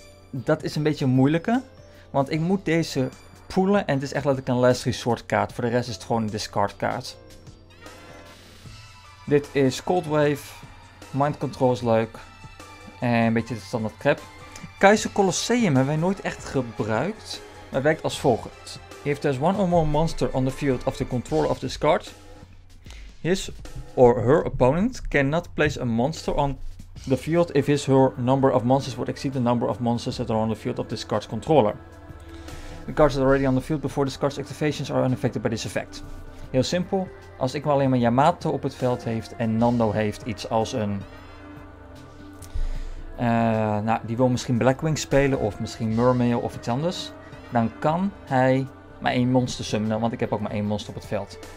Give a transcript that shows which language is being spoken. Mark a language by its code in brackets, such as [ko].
[nl] Dat is een beetje moeilijker, want ik moet deze poelen en het is echt letterlijk een last resort kaart. Voor de rest is het gewoon een discard kaart. Dit is Cold Wave. Mind Control is leuk. En een beetje de standaard crap. Keizer Colosseum hebben wij nooit echt gebruikt, maar werkt als volgt. [en] If there's one or more monster on the field of the controller of this card, his or her opponent cannot place a monster on the field if his or her number of monsters would exceed the number of monsters that are on the field of this card's controller. The cards that are already on the field before this card's activations are unaffected by this effect. [nl] Heel simpel, als ik maar alleen maar Yamato op het veld heeft en Nando heeft iets als een... die wil misschien Blackwing spelen of misschien Mermail of iets anders, dan kan hij maar 1 monster summonen, want ik heb ook maar 1 monster op het veld.